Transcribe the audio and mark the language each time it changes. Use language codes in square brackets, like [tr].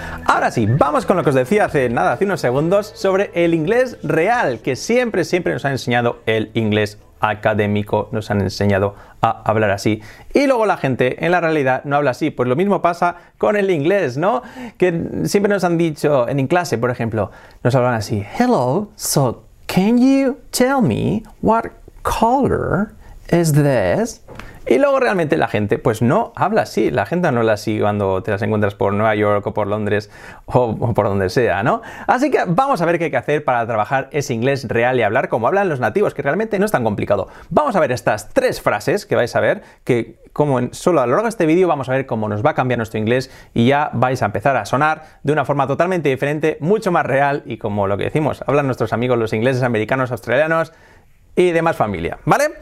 [es] Ahora sí, vamos con lo que os decía hace unos segundos sobre el inglés real, que siempre nos han enseñado el inglés académico, nos han enseñado a hablar así. Y luego la gente en la realidad no habla así. Pues lo mismo pasa con el inglés, ¿no? Que siempre nos han dicho en clase, por ejemplo, nos hablan así. [en] Hello, so can you tell me what color is this? [es] Y luego realmente la gente pues no habla así. La gente no habla así cuando te las encuentras por Nueva York o por Londres o por donde sea, ¿no? Así que vamos a ver qué hay que hacer para trabajar ese inglés real y hablar como hablan los nativos, que realmente no es tan complicado. Vamos a ver estas tres frases que vais a ver, que como solo a lo largo de este vídeo vamos a ver cómo nos va a cambiar nuestro inglés y ya vais a empezar a sonar de una forma totalmente diferente, mucho más real y como lo que decimos, hablan nuestros amigos los ingleses, americanos, australianos, y demás familia, ¿vale?